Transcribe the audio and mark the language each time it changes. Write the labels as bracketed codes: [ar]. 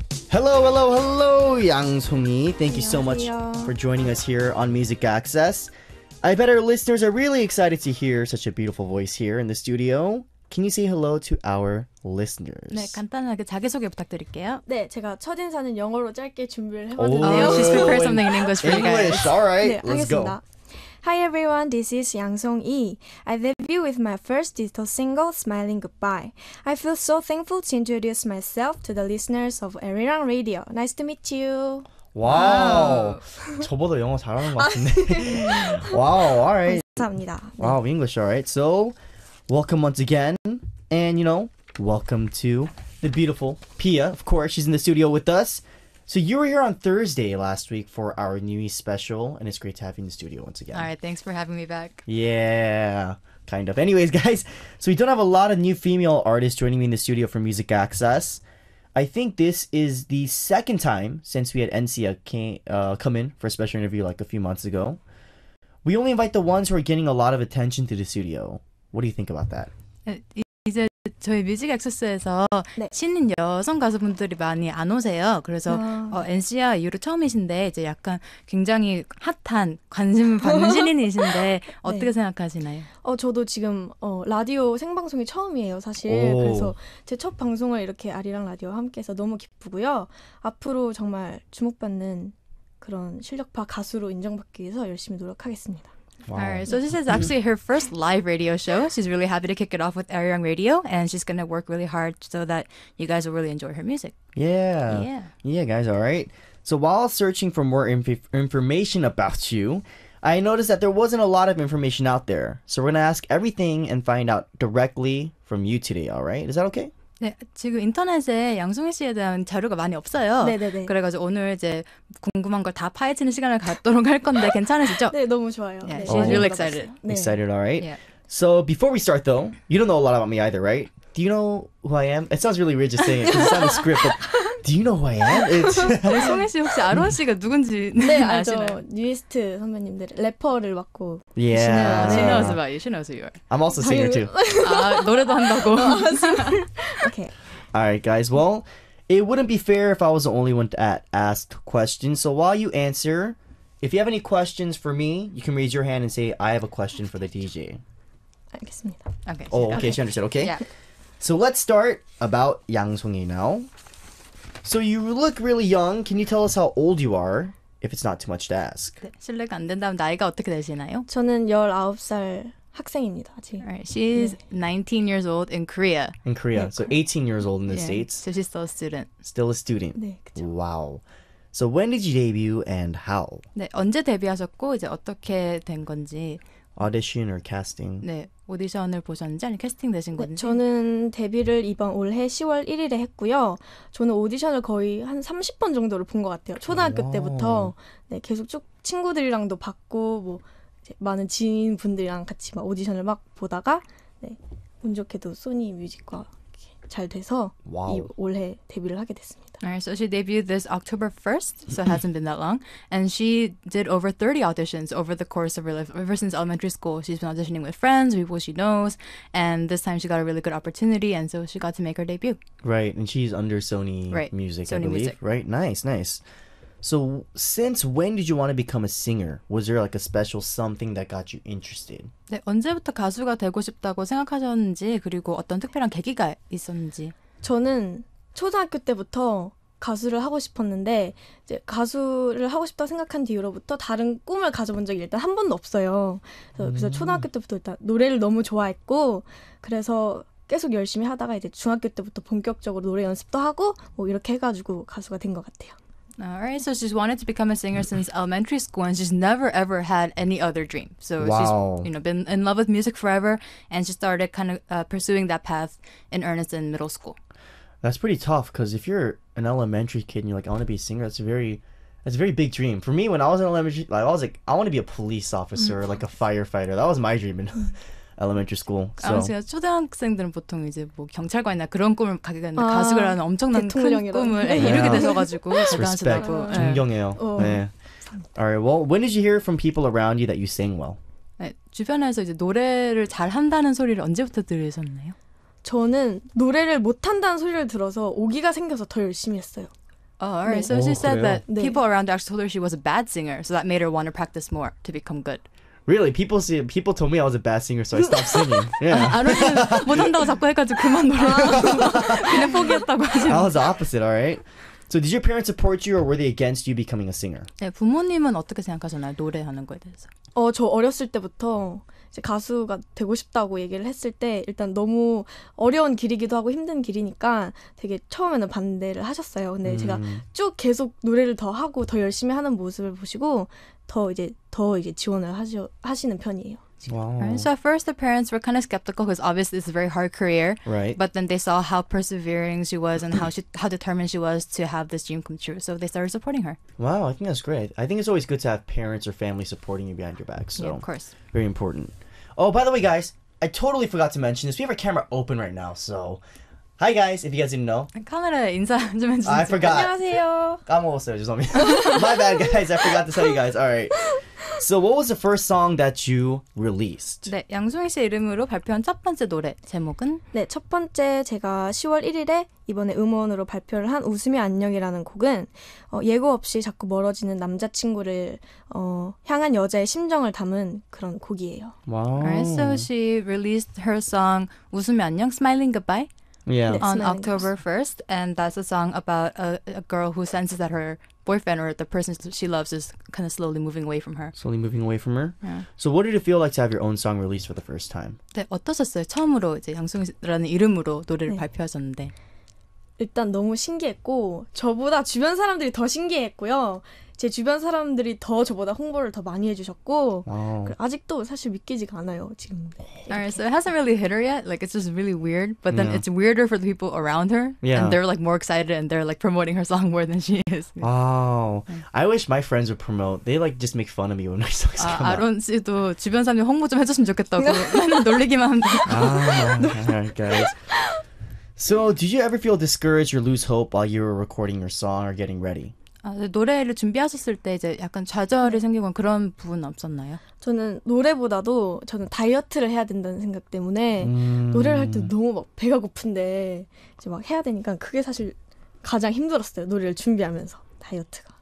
[en] Hello, hello, hello, Yang Songi. Thank you so much for joining us here on Music Access. I bet our listeners are really excited to hear such a beautiful voice here in the studio. Can you say hello to our listeners? [ko] 네, 간단하게 자기소개 부탁드릴게요. 네, 제가 첫 인사는 영어로 짧게 준비를 해봤는데요. [en] She's prepared something in English for you guys. English, all right, [ko] 네, [en] let's go. Hi everyone, this is Yang Song-yi. I debut with my first digital single, Smiling Goodbye. I feel so thankful to introduce myself to the listeners of Arirang Radio. Nice to meet you. [ko] Wow, 저보다 영어 잘하는 것 같은데. [en] Wow, all right. [ko] 감사합니다. [en] Wow, English, all right. So, welcome once again. And, you know, welcome to the beautiful Pia. Of course, she's in the studio with us. So you were here on Thursday last week for our new special, and it's great to have you in the studio once again. All right, thanks for having me back. Yeah, kind of. Anyways, guys, so we don't have a lot of new female artists joining me in the studio for Music Access. I think this is the second time since we had Ensia come in for a special interview like a few months ago. We only invite the ones who are getting a lot of attention to the studio. What do you think about that? [ko] 이제 저희 뮤직 액세스에서 네. 신인 여성 가수분들이 많이 안 오세요. 그래서 NCR 이후로 처음이신데 이제 약간 굉장히 핫한 관심을 받는 신인이신데 어떻게 네. 생각하시나요? 저도 지금 라디오 생방송이 처음이에요, 사실. 오. 그래서 제 첫 방송을 이렇게 아리랑 라디오와 함께해서 너무 기쁘고요. 앞으로 정말 주목받는 그런 실력파 가수로 인정받기 위해서 열심히 노력하겠습니다. [en] Wow. All right, so this is actually her first live radio show. She's really happy to kick it off with Arirang Radio, and she's going to work really hard so that you guys will really enjoy her music. Yeah. Yeah. Yeah, guys, all right. So while searching for more information about you, I noticed that there wasn't a lot of information out there. So we're going to ask everything and find out directly from you today, all right? Is that okay? [ko] 네, 지금 인터넷에 양송혜 씨에 대한 자료가 많이 없어요. 네네네. 그래가지고 오늘 이제 궁금한 걸 다 파헤치는 시간을 갖도록 할 건데 괜찮으시죠? 네, 너무 좋아요. [en] Yeah, she's really excited. Excited, all right. Yeah. So before we start though, you don't know a lot about me either, right? Do you know who I am? It sounds really weird just saying it because it's not a script, but do you know who I am? [ko] 송혜 씨, 혹시 아론 씨가 누군지 네, 아시나요? 네, 저 뉴이스트 선배님들, 래퍼를 맡고 [en] Yeah. She knows about you, she knows who you are. I'm also a singer too. [ko] 아, 노래도 한다고. [en] Okay. Alright guys, well, it wouldn't be fair if I was the only one to ask questions. So while you answer, if you have any questions for me, you can raise your hand and say, I have a question for the DJ. [ko] 알겠습니다. [en] Okay. Oh, okay, she understood, okay? Yeah. So let's start about Yang Songi now. So you look really young. Can you tell us how old you are, if it's not too much to ask? [ko] 네, 실례가 안 된다면 나이가 어떻게 되시나요? 저는 19살 학생입니다. 지금. [en] All right, she's 19 years old in Korea. In Korea. Yeah, so 18 years old in the States. So she's still a student. Still a student. [ko] 네, 그렇죠. [en] Wow. So when did you debut and how? [ko] 네, 언제 데뷔하셨고 이제 어떻게 된 건지. [en] Audition or casting? [ko] 네. 오디션을 보셨는지 아니면 캐스팅 되신 건지? 네, 저는 데뷔를 이번 올해 10월 1일에 했고요. 저는 오디션을 거의 한 30번 정도를 본 것 같아요. 초등학교 때부터 네, 계속 쭉 친구들이랑도 봤고 뭐 많은 지인분들이랑 같이 막 오디션을 막 보다가 네, 운 좋게도 소니 뮤직과 잘 돼서 이 올해 데뷔를 하게 됐습니다. [en] Alright, so she debuted this October 1st, so it hasn't been that long. And she did over 30 auditions over the course of her life, ever since elementary school. She's been auditioning with friends, people she knows, and this time she got a really good opportunity, and so she got to make her debut. Right, and she's under Sony right. Music, Sony I believe. Music. Right, nice, nice. So since when did you want to become a singer? Was there like a special something that got you interested? [ko] 네, 언제부터 가수가 되고 싶다고 생각하셨는지, 그리고 어떤 특별한 계기가 있었는지. 저는... 초등학교 때부터 가수를 하고 싶었는데 이제 가수를 하고 싶다고 생각한 뒤로부터 다른 꿈을 가져본 적이 일단 한 번도 없어요. 그래서 초등학교 때부터 일단 노래를 너무 좋아했고 그래서 계속 열심히 하다가 이제 중학교 때부터 본격적으로 노래 연습도 하고 뭐 이렇게 해가지고 가수가 된 것 같아요. [en] All right, so she's wanted to become a singer since elementary school, and she's never ever had any other dream. So wow. She's, you know, been in love with music forever, and she started kind of pursuing that path in earnest in middle school. That's pretty tough, because if you're an elementary kid and you're like, I want to be a singer, that's a very big dream. For me, when I was in elementary, like, I was like, I want to be a police officer, or like a firefighter. That was my dream in elementary school. So. [ko] 초등학생들은 보통 이제 뭐 경찰관이나 그런 꿈을 가게 되는데 가수를 하는 엄청난 큰 꿈을 이루게 되셔가지고 대단하시다고 존경해요. [en] Alright, well, when did you hear from people around you that you sang well? [ko] 네, 주변에서 이제 노래를 잘한다는 소리를 언제부터 들으셨나요? 저는 노래를 못한다는 소리를 들어서 오기가 생겨서 더 열심히 했어요. [en] Oh, alright, 네. So she said [ko] 그래요? [en] that people around her actually told her she was a bad singer, so that made her want to practice more to become good. Really, people told me I was a bad singer, so I stopped singing. Yeah. [ko] 못한다고 자꾸 해가지고 그만 놀아. 그냥 포기했다고 하죠. [en] I was the opposite, alright? So did your parents support you or were they against you becoming a singer? [ko] 네, 부모님은 어떻게 생각하셨나요? 노래하는 거에 대해서. 저 어렸을 때부터 이제 가수가 되고 싶다고 얘기를 했을 때 일단 너무 어려운 길이기도 하고 힘든 길이니까 되게 처음에는 반대를 하셨어요. 근데 제가 쭉 계속 노래를 더 하고 더 열심히 하는 모습을 보시고 더 이제 지원을 하시는 편이에요. [en] Wow. Right. So at first the parents were kind of skeptical because obviously it's a very hard career. Right. But then they saw how persevering she was and how determined she was to have this dream come true. So they started supporting her. Wow, I think that's great. I think it's always good to have parents or family supporting you behind your back. So yeah, of course. Very important. Oh, by the way, guys, I totally forgot to mention this. We have our camera open right now, so... Hi guys, if you guys didn't know. [ko] 카메라에 인사 좀 해주세요. [en] I forgot. [ko] 안녕하세요. 까먹었어요, 죄송합니다. [en] My bad, guys. I forgot to tell you guys. Alright. So what was the first song that you released? [ko] 네, 양송이 씨 이름으로 발표한 첫 번째 노래 제목은? 네, 첫 번째 제가 10월 1일에 이번에 음원으로 발표를 한 웃음이 안녕이라는 곡은 예고 없이 자꾸 멀어지는 남자친구를 향한 여자의 심정을 담은 그런 곡이에요. [en] Wow. Alright, so she released her song 웃음이 안녕, Smiling Goodbye. Yeah. On October 1st, and that's a song about a girl who senses that her boyfriend or the person she loves is kind of slowly moving away from her. Slowly moving away from her? Yeah. So what did it feel like to have your own song released for the first time? [ko] 네, 어떠셨어요? 처음으로 이제 양송이라는 이름으로 노래를 네. 발표하셨는데. 일단 너무 신기했고, 저보다 주변 사람들이 더 신기했고요. 제 주변 사람들이 더 저보다 홍보를 더 많이 해주셨고 [en] wow. [ko] 아직도 사실 믿기지가 않아요 지금. [en] Alright, so it hasn't really hit her yet. Like it's just really weird. But then yeah. it's weirder for the people around her. Yeah. And they're like more excited and they're like promoting her song more than she is. Wow. I wish my friends would promote. They like just make fun of me when my songs come out. [ko] 아론 씨도 주변 사람들 홍보 좀 해줬으면 좋겠다고 맨날 놀리기만 한다. [en] Alright, guys. So, did you ever feel discouraged or lose hope while you were recording your song or getting ready? [ko] 노래를 준비하셨을 때 이제 약간 좌절이 생기고 그런 부분 없었나요? 저는 노래보다도 저는 다이어트를 해야 된다는 생각 때문에 노래를 할 때 너무 막 배가 고픈데 이제 막 해야 되니까 그게 사실 가장 힘들었어요. 노래를 준비하면서 다이어트가.